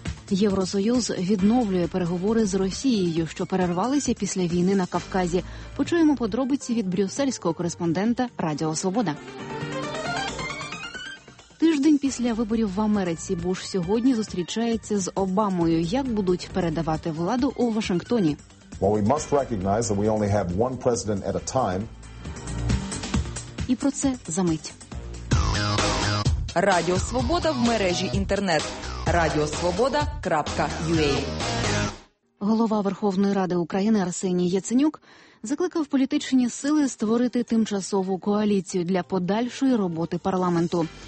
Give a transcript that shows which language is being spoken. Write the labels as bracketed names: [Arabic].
[Ukrainian] Євросоюз відновлює переговори з Росією, що перервалися після війни на Кавказі. Почуємо подробиці від брюссельського кореспондента Радіо Свобода. Тиждень після виборів в Америці Буш сьогодні зустрічається з Обамою. Як будуть передавати владу у Вашингтоні? [English] Well, we must recognize that we only have one president at a time. [Ukrainian] І про це за мить. Радіо Свобода в мережі інтернет. radiosvoboda.ua. Голова Верховної Ради України Арсеній Яценюк закликав політичні сили створити тимчасову коаліцію для подальшої роботи парламенту.